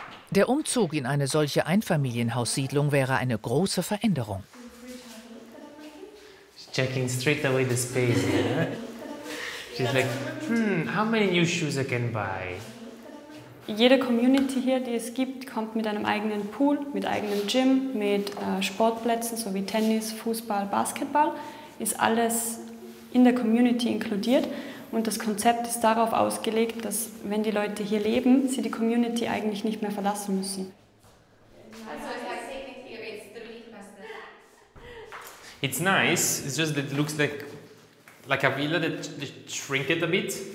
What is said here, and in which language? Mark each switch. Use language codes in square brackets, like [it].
[de] Der Umzug in eine solche Einfamilienhaussiedlung wäre eine große Veränderung. [en] She's checking straight away the space. She's like, how many new shoes I can buy? [de] Jede Community hier, die es gibt, kommt mit einem eigenen Pool, mit eigenem Gym, mit Sportplätzen sowie Tennis, Fußball, Basketball. Ist alles in der Community inkludiert. Und das Konzept ist darauf ausgelegt, dass, wenn die Leute hier leben, sie die Community eigentlich nicht mehr verlassen müssen. [en] It's nice, it's just that it looks like a villa that shrunk it a bit.